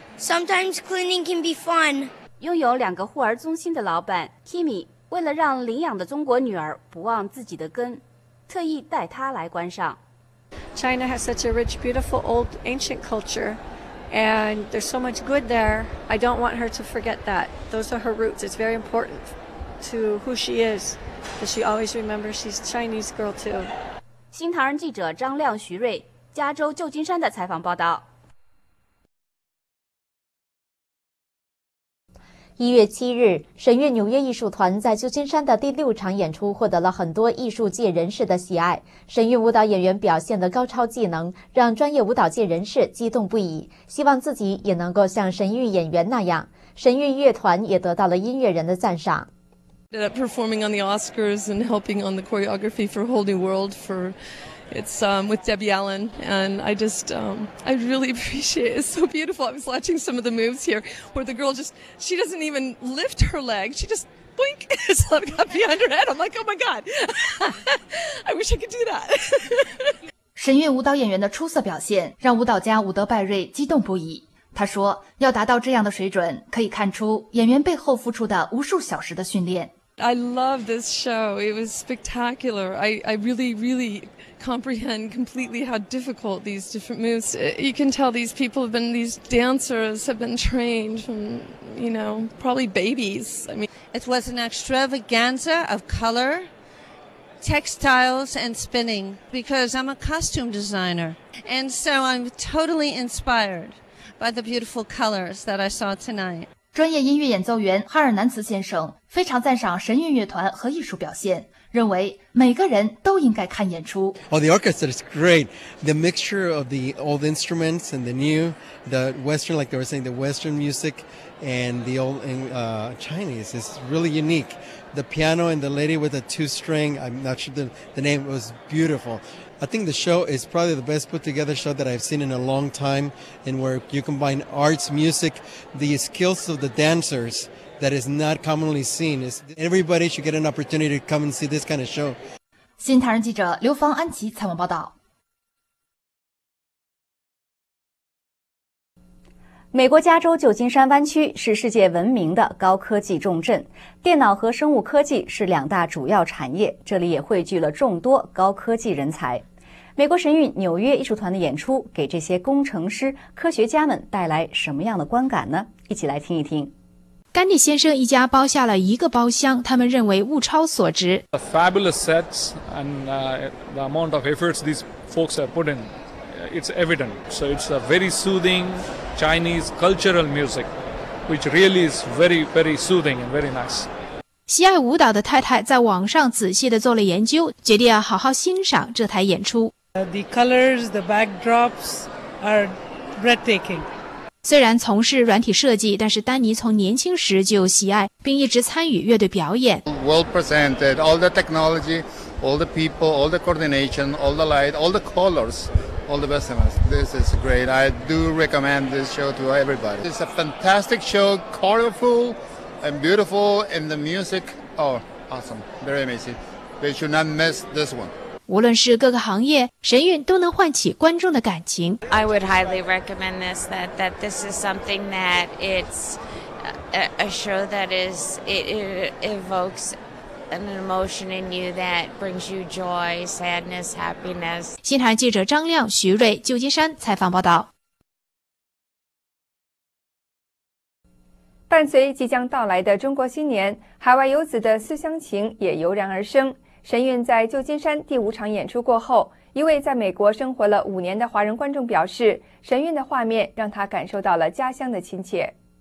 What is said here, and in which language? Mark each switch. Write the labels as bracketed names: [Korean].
[English] Sometimes cleaning can be fun. [Chinese] 拥有两个护儿中心的老板 Kimmy 为了让领养的中国女儿不忘自己的根。特意带他来观赏。 [English] China has such a rich, beautiful, old, ancient culture, and there's so much good there. I don't want her to forget that. Those are her roots. It's very important to who she is, that she always remembers she's Chinese girl too. [Chinese] 新唐人记者张亮、徐瑞，加州旧金山的采访报道。 1月7日，神韵纽约艺术团在旧金山的第六场演出获得了很多艺术界人士的喜爱。神韵舞蹈演员表现的高超技能，让专业舞蹈界人士激动不已，希望自己也能够像神韵演员那样。神韵乐团也得到了音乐人的赞赏。 [English] Performing on the Oscars and helping on the choreography for Whole New World for... It's with Debbie Allen, and I just, I really appreciate it. It's so beautiful. I was watching some of the moves here where the girl just, she doesn't even lift her leg. She just, boink, slap got behind her head. I'm like, oh my God, I wish I could do that. [Chinese] 神韵舞蹈演员的出色表现让舞蹈家伍德拜瑞激动不已。他说，要达到这样的水准，可以看出演员背后付出的无数小时的训练。 [English] I love this show. It was spectacular. I really, really comprehend completely how difficult these different moves. You can tell these people have been, these dancers have been trained from, you know, probably babies. I mean, it was an extravaganza of color, textiles, and spinning because I'm a costume designer. And so I'm totally inspired by the beautiful colors that I saw tonight. [Chinese] 专业音乐演奏员哈尔南茨先生非常赞赏神韵乐团和艺术表现，认为每个人都应该看演出。 [English] Oh, the orchestra is great. The mixture of the old instruments and the new, the Western, like they were saying, the Western music and the old and, Chinese is really unique. The piano and the lady with the two string, I'm not sure the name, was beautiful. I think the show is probably the best put together show that I've seen in a long time, and where you combine arts, music, the skills of the dancers that is not commonly seen. Everybody should get an opportunity to come and see this kind of show. [Chinese] 新唐人记者刘芳安琪采访报道。美国加州旧金山湾区是世界闻名的高科技重镇，电脑和生物科技是两大主要产业，这里也汇聚了众多高科技人才。美国神韵纽约艺术团的演出给这些工程师、科学家们带来什么样的观感呢？一起来听一听。甘地先生一家包下了一个包厢，他们认为物超所值。 [English] A fabulous set and the amount of efforts these folks have put in, it's evident. So it's a very soothing Chinese cultural music, which really is very, very soothing and very nice. [Chinese] 喜爱舞蹈的太太在网上仔细地做了研究，决定要好好欣赏这台演出。 [English] The colors, the backdrops are breathtaking. [Chinese] 虽然从事软体设计，但是丹尼从年轻时就喜爱，并一直参与乐队表演。 [English] Well presented, all the technology, all the people, all the coordination, all the light, all the colors, all the best of us. This is great. I do recommend this show to everybody. It's a fantastic show, colorful. And beautiful, and the music, oh, awesome, very amazing. They should not miss this one. [Chinese] 无论是各个行业，神韵都能唤起观众的感情。 [English] I would highly recommend this, that this is something that it's a show that is, it evokes an emotion in you that brings you joy, sadness, happiness. [Chinese] 新唐记者张亮、徐瑞，旧金山采访报道。伴随即将到来的中国新年，海外游子的思乡情也油然而生。神韵在旧金山第五场演出过后，一位在美国生活了五年的华人观众表示，神韵的画面让他感受到了家乡的亲切。